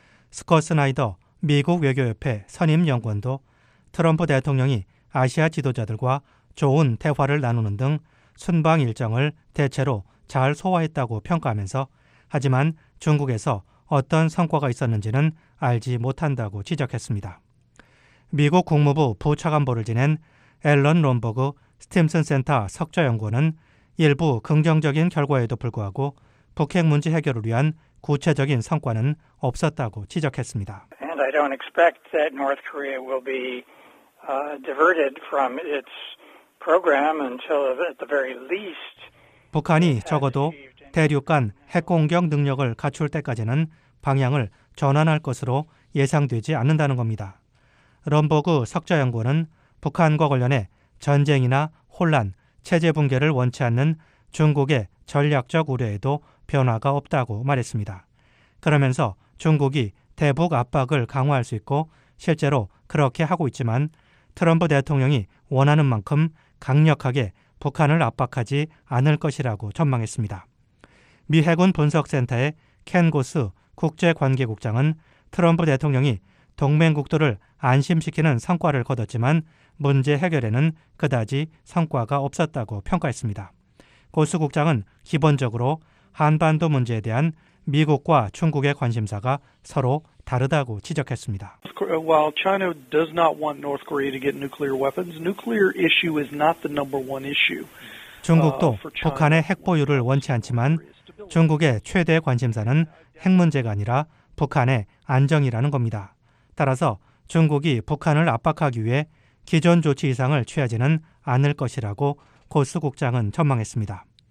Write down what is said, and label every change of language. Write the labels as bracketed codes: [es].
[ko] 스콧 스나이더 미국 외교협회 선임연구원도 트럼프 대통령이 아시아 지도자들과 좋은 대화를 나누는 등 순방 일정을 대체로 잘 소화했다고 평가하면서 하지만 중국에서 어떤 성과가 있었는지는 알지 못한다고 지적했습니다. 미국 국무부 부차관보를 지낸 앨런 롬버그 스팀슨 센터 석좌연구원은 일부 긍정적인 결과에도 불구하고 북핵 문제 해결을 위한 구체적인 성과는 없었다고 지적했습니다. [en] And I don't expect that North Korea will be diverted from its program until at the very least [ko] 북한이 적어도 대륙 간 핵공격 능력을 갖출 때까지는 방향을 전환할 것으로 예상되지 않는다는 겁니다. 럼버그 석좌연구원은 북한과 관련해 전쟁이나 혼란, 체제 붕괴를 원치 않는 중국의 전략적 우려에도 변화가 없다고 말했습니다. 그러면서 중국이 대북 압박을 강화할 수 있고 실제로 그렇게 하고 있지만 트럼프 대통령이 원하는 만큼 강력하게 북한을 압박하지 않을 것이라고 전망했습니다. 미 해군 분석센터의 켄 고스 국제관계국장은 트럼프 대통령이 동맹국들을 안심시키는 성과를 거뒀지만 문제 해결에는 그다지 성과가 없었다고 평가했습니다. 고스 국장은 기본적으로 한반도 문제에 대한 미국과 중국의 관심사가 서로 다르다고 지적했습니다. [en] While China does not want North Korea to get nuclear weapons, nuclear issue is not the number one issue. [ko] 중국도 북한의 핵 보유를 원치 않지만 중국의 최대 관심사는 핵 문제가 아니라 북한의 안정이라는 겁니다. 따라서 중국이 북한을 압박하기 위해 기존 조치 이상을 취하지는 않을 것이라고 고스 국장은 전망했습니다.